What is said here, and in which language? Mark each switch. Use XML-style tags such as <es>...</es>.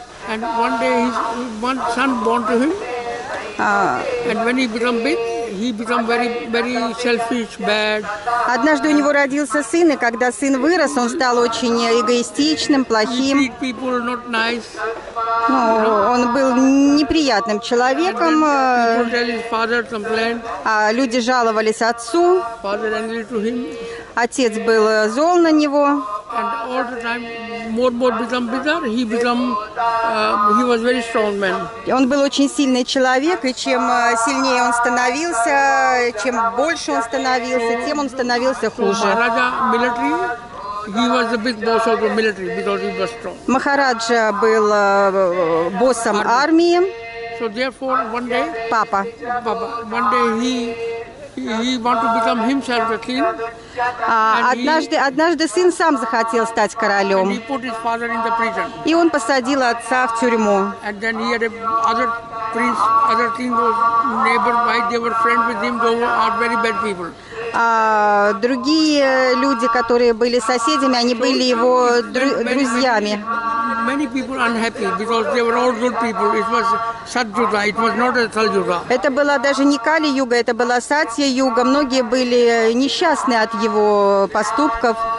<en>And one day his one son born to him. And when he become big, he become very, very selfish, bad.</en> <ru>Однажды у него родился сын, и когда сын вырос, он стал очень эгоистичным, плохим.</ru> <en>He treat people not nice.</en> <ru>Ну, он был неприятным человеком.</ru> <en>People tell his father complained.</en> <ru>Люди жаловались отцу.</ru> <en>Father angry to him.</en> <ru>Отец был зол на него.</ru> <en>And all the time, more become bigger. He become, he was very strong man.</en> <ru>Он был очень сильный человек, и чем сильнее он становился, чем больше он становился, тем он становился хуже.</ru> <en>Maharaja military, he was the big boss of the military because he was strong.</en> <ru>Maharaja был боссом армии.</ru> <en>So therefore, one day, Papa, one day he want to become himself a king.</en> <ru>Однажды сын сам захотел стать королем.</ru> <en>And he put his father in the prison.</en> <ru>И он посадил отца в тюрьму.</ru> <en>And then he had other prince, other king was neighbor, right? They were friends with him, they are very bad people.</en> <ru>Другие люди, которые были соседями, они были его друзьями.</ru> <en>Many people unhappy because they were all good people. It was Satyuga, it was not a Kaliyuga.</en> <ru>Это была даже не Кали-юга, это была Сатья-юга. Многие были несчастны от его поступков.</ru>